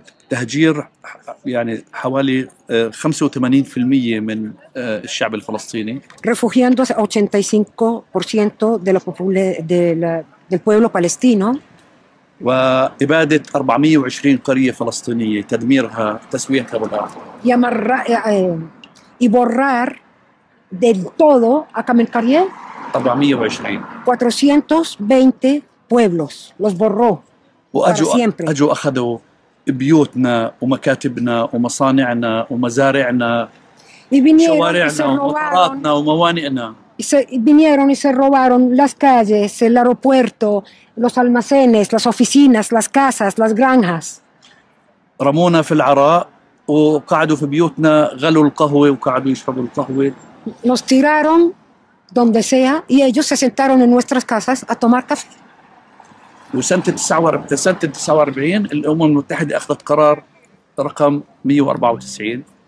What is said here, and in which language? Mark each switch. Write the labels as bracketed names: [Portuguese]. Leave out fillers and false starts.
[Arabic] تهجير يعني حوالي 85% من الشعب الفلسطيني. [Spanish] Refugiando 85% de la del pueblo palestino. [Arabic] وإبادة 420 قرية فلسطينية تدميرها تسويتها بالأرض. [Spanish] Y amarrar y borrar del todo a Camel Carrie. 420. 420 pueblos los borró. [Arabic] وأجوا أخذوا بيوتنا ومكاتبنا ومصانعنا ومزارعنا شوارعنا وقطاراتنا وموانئنا. [Spanish] Vinieron y se robaron las calles, el aeropuerto, los almacenes, las oficinas, las casas, las granjas. [Arabic] رمونا في العراء وقعدوا في بيوتنا غلوا القهوة وقعدوا يشربوا القهوة. [Spanish] Nos tiraron donde sea y ellos se sentaron en nuestras casas a tomar café. [Arabic] وسنة 49 الأمم المتحدة أخذت قرار رقم 194.